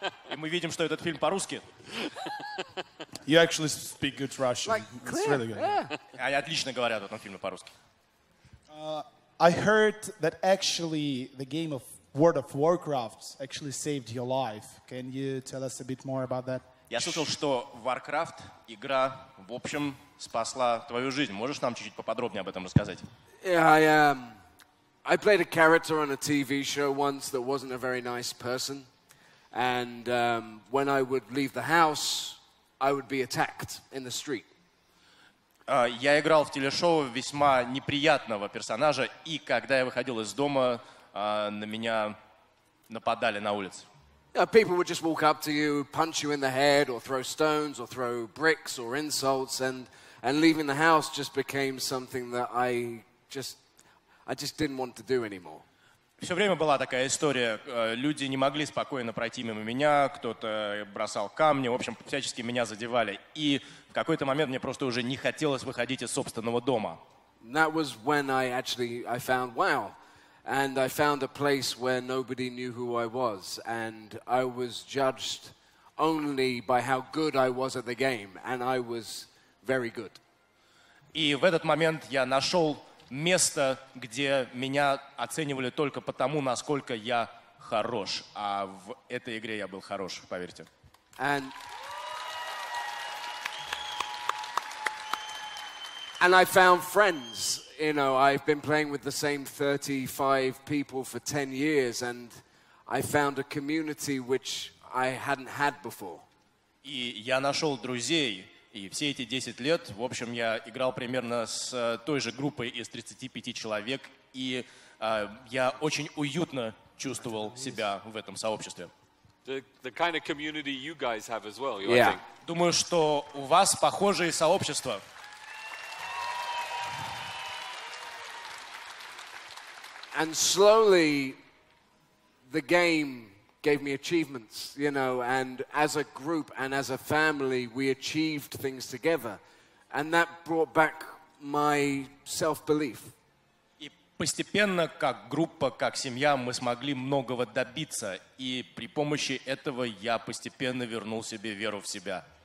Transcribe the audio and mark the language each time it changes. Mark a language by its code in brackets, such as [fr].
[ru] И мы видим, что этот фильм по-русски. [en] You actually speak good Russian. Like, clear. It's really good. Yeah. [ru] Они отлично говорят в этом фильме по-русски. [en] I heard that actually the game of World of Warcraft actually saved your life. Can you tell us a bit more about that? [ru] Я слышал, что Warcraft, игра, в общем, спасла твою жизнь. Можешь нам чуть-чуть поподробнее об этом рассказать? [en] Yeah, I am. I played a character on a TV show once that wasn't a very nice person. And when I would leave the house, I would be attacked in the street. [ru] Я играл в телешоу весьма неприятного персонажа, и когда я выходил из дома, на меня нападали на улице. [en] Yeah, people would just walk up to you, punch you in the head, or throw stones, or throw bricks, or insults, and leaving the house just became something that I just didn't want to do anymore. [ru] Все время была такая история. Люди не могли спокойно пройти мимо меня, кто-то бросал камни, в общем, всячески меня задевали. И в какой-то момент мне просто уже не хотелось выходить из собственного дома. [en] That was when I found WoW. And I found a place where nobody knew who I was. And I was judged only by how good I was at the game. And I was very good. [ru] И в этот момент я нашел место, где меня оценивали только потому, насколько я хорош. А в этой игре я был хорош, поверьте. [en] And I found friends. You know, I've been playing with the same 35 people for 10 years, and I found a community which I hadn't had before. [ru] И я нашел друзей. И все эти 10 лет, в общем, я играл примерно с той же группой из 35 человек, и я очень уютно чувствовал себя в этом сообществе. [en] The kind of community you guys have as well, yeah. I think. [ru] Думаю, что у вас похожие сообщества. [en] And slowly the game gave me achievements, you know, and as a group and as a family, we achieved things together. And that brought back my self-belief. [ru] И постепенно, как группа, как семья, мы смогли многого добиться. И при помощи этого я постепенно вернул себе веру в себя.